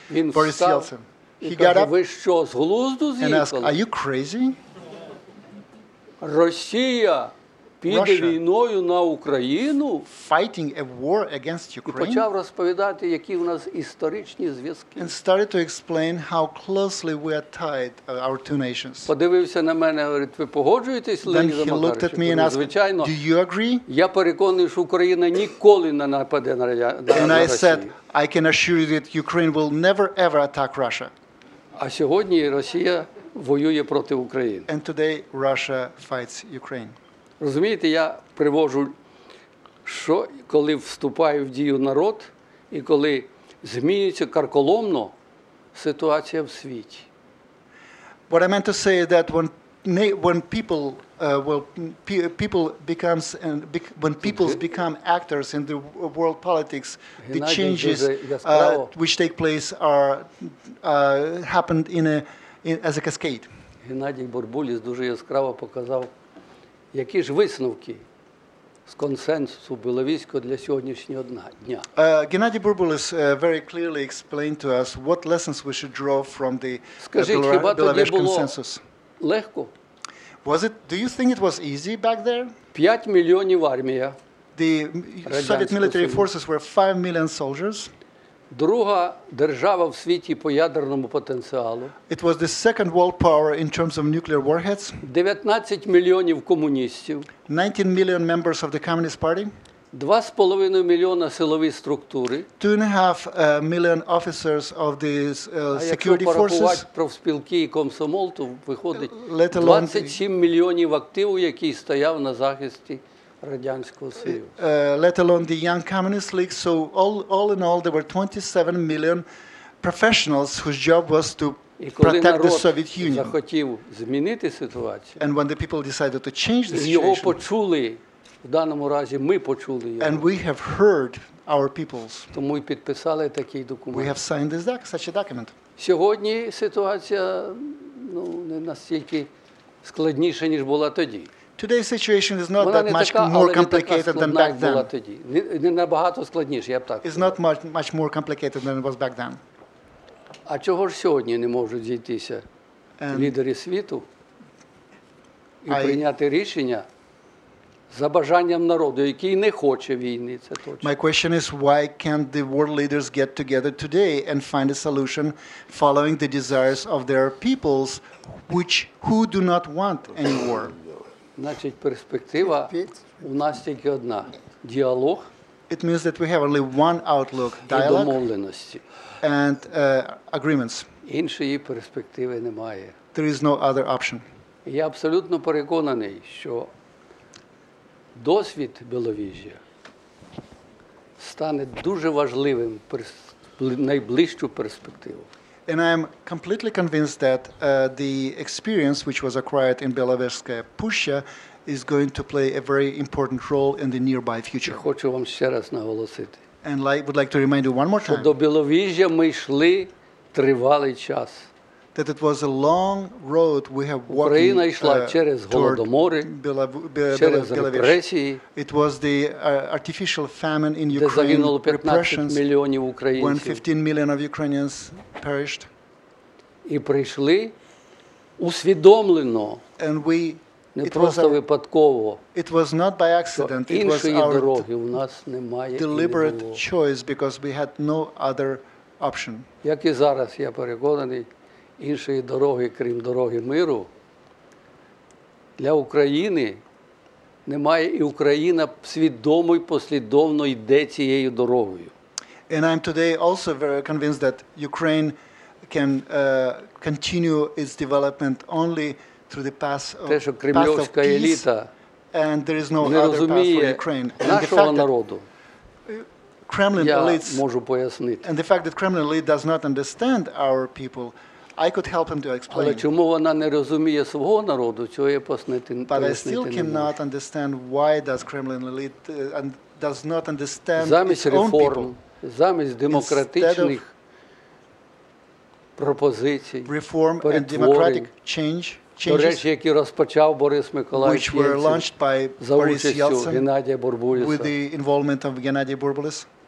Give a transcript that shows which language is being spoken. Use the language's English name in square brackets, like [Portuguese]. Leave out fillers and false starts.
[Ukrainian] він Борис Єльцин. [English] He got up, [Ukrainian] ви що, з глузду з'їхали? [English] And asked, are you crazy? [Ukrainian] Росія піде війною на Україну, [English] fighting a war against Ukraine, [Ukrainian] і почав розповідати, які у нас історичні зв'язки. [English] And started to explain how closely we are tied, our two nations. [Ukrainian] Подивився на мене, говорить, ви погоджуєтесь, Леоніде Макаровичу? [English] Then he looked at me and asked, do you agree? [Ukrainian] Я переконаний, що Україна ніколи не нападе на Росію. [English] And I said, I can assure you that Ukraine will never ever attack Russia. [Ukrainian] А сьогодні Росія воює проти України. [English] And today Russia fights Ukraine. [Ukrainian] Розумієте, я привожу, що коли вступає в дію народ і коли змінюється карколомно ситуація в світі. [English] What I meant to say is that when people well people becomes and when peoples become actors in the world politics, the changes which take place are happened in as a cascade. [Ukrainian] Геннадій Бурбуліс дуже яскраво показав, які ж висновки з консенсусу Біловійського для сьогоднішнього дня. [English] Геннадій Бурбуліс very clearly explained to us what lessons we should draw from the [Ukrainian] Біловійський консенсус. Легко? [English] Was it, do you think it was easy back there? [Ukrainian] 5 мільйонів армія. [English] The Soviet military forces were 5 million soldiers. [Ukrainian] Друга держава в світі по ядерному потенціалу. [English] It was the second world power in terms of nuclear warheads. [Ukrainian] 19 мільйонів комуністів. [English] 19 million members of the Communist Party. [Ukrainian] 2,5 мільйона силові структури. [English] 2.5 million officers of the security forces. [Ukrainian] А якщо порахувати профспілки і комсомол, то виходить 27 мільйонів активу, який стояв на захисті Радянського Союзу. [English] Let alone the young communist league, so all in all there were 27 million professionals whose job was to protect the Soviet Union. [Ukrainian] І коли народ захотів змінити ситуацію, [English] and when the people decided to change the situation, [Ukrainian] його почули. В даному разі ми почули його. [English] And we have heard our peoples. [Ukrainian] Тому і підписали такий документ. [English] We have signed this such a document. [Ukrainian] Сьогодні ситуація, ну, не настільки складніша, ніж була тоді. [English] Today's situation is not that much more complicated than back then. [Ukrainian] Не набагато складніше, я б так. [English] It's not much more complicated than it was back then. [Ukrainian] А чого ж сьогодні не можуть зійтися лідери світу і прийняти рішення за бажанням народу, який не хоче війни, це точно. [English] My question is, why can't the world leaders get together today and find a solution following the desires of their peoples, who do not want any war? [Ukrainian] Значить, перспектива у нас тільки одна – діалог. [English] It means that we have only one outlook – dialogue. [Ukrainian] І домовленості. [English] And agreements. [Ukrainian] Іншої перспективи немає. [English] There is no other option. [Ukrainian] Я абсолютно переконаний, що досвід Біловіжжя стане дуже важливим найближчу перспективу. [English] And I am completely convinced that the experience which was acquired in Беловежская пуща is going to play a very important role in the nearby future. [Ukrainian] Хочу вам ще раз наголосити. [English] And I would like to remind you one more time. [Ukrainian] До Біловіжжя ми йшли тривалий час. [English] That it was a long road we have walked. [Ukrainian] Україна йшла через голодомори, через репресії. [English] It was the artificial famine in [Ukrainian] Ukraine. Де загинуло 15 мільйонів українців. [English] When 15 million of Ukrainians perished. [Ukrainian] І прийшли усвідомлено. [English] And we [Ukrainian] не просто випадково. [English] It was not by accident. It was our [Ukrainian] дороги у нас немає. [English] Deliberate choice because we had no other option. Як і зараз я переконаний, іншої дороги, крім дороги миру, для України немає, і Україна свідомо і послідовно йде цією дорогою. And I'm today also very convinced that Ukraine can continue its development only through the path of peace. And there is no other path for Ukraine. And the fact that Kremlin elites, [Ukrainian] можу пояснити. [English] And the fact that Kremlin elite does not understand our people, I could help him to explain. [Ukrainian] Але чому вона не розуміє свого народу, цього я пояснити не можу. [English] But I still cannot understand why does Kremlin elite and does not understand its own people. [Ukrainian] Замість демократичних пропозицій, [English] reform and democratic change, [Ukrainian] до речі, які розпочав Борис Миколаївич, [English] which were launched by Boris Yeltsin, with the involvement of Геннадія Бурбуліс.